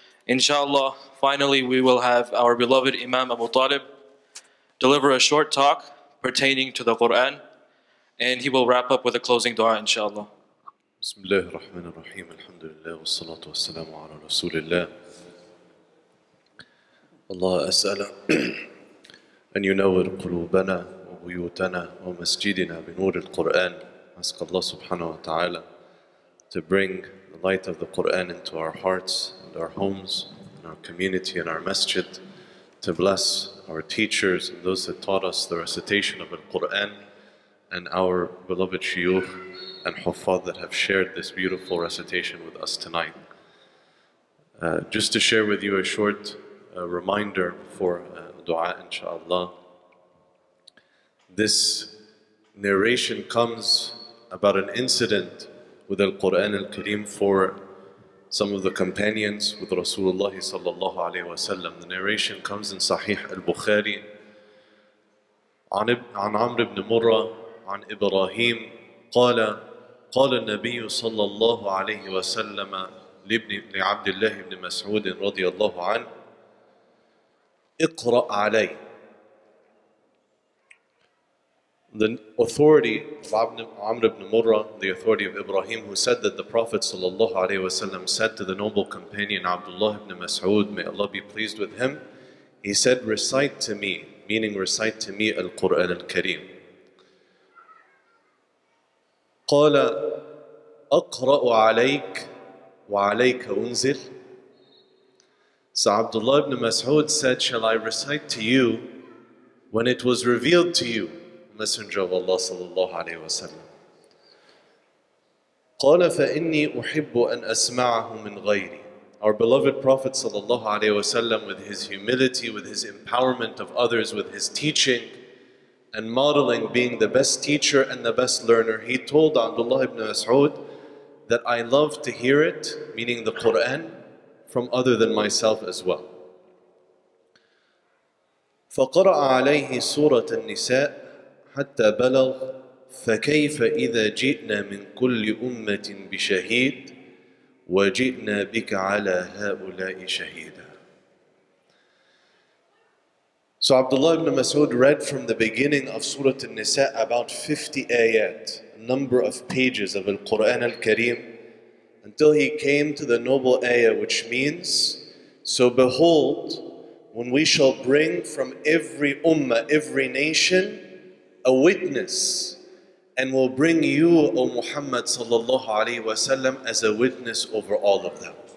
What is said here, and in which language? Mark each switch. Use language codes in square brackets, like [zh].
[en] إن شاء الله finally we will have our beloved Imam Abu Talib deliver a short talk pertaining to the Quran and he will wrap up with a closing dua inshallah. [ar] بسم الله الرحمن الرحيم الحمد لله والصلاة والسلام على رسول الله. الله أسأل أن ينور قلوبنا وبيوتنا ومسجدنا بنور القرآن. أسأل الله سبحانه وتعالى [en] to bring the light of the Quran into our hearts and our homes, our community and our masjid, to bless our teachers and those that taught us the recitation of Al-Quran and our beloved shuyukh and huffaz that have shared this beautiful recitation with us tonight. Just to share with you a short reminder for dua inshallah. This narration comes about an incident with Al-Quran Al-Kareem for some of the companions with Rasulullah sallallahu alayhi wa sallam. The narration comes in Sahih al-Bukhari. [ar] عن عمر بن مرة عن إبراهيم قال قال النبي صلى الله عليه وسلم لعبد الله بن مسعود رضي الله عنه اقرأ علي. [en] The authority of Amr ibn Murrah, the authority of Ibrahim, who said that the Prophet sallallahu alayhi wa sallam said to the noble companion Abdullah ibn Mas'ud, may Allah be pleased with him, he said, recite to me, meaning recite to me Al-Qur'an Al-Kareem. [ar] قال أقرأ عليك وعليك أنزل. [en] So Abdullah ibn Mas'ud said, shall I recite to you when it was revealed to you, Messenger of Allah sallallahu alayhi wa sallam. [ar] قال فإني أحب أن أسمعه من غيري. [en] Our beloved Prophet sallallahu alayhi wa sallam, with his humility, with his empowerment of others, with his teaching and modeling, being the best teacher and the best learner, he told Abdullah ibn Mas'ud that I love to hear it, meaning the Quran, from other than myself as well. [ar] فقرأ عليه سورة النساء حتى بلغ فكيف إذا جئنا من كل أمة بشهيد وجئنا بك على هؤلاء شهيدا. [en] So Abdullah ibn Mas'ud read from the beginning of Surah An-Nisa about 50 ayat, a number of pages of Al-Quran Al-Kareem, until he came to the noble ayah, which means, so behold, when we shall bring from every ummah, every nation, a witness, and will bring you, O Muhammad sallallahu alayhi wa sallam, as a witness over all of them.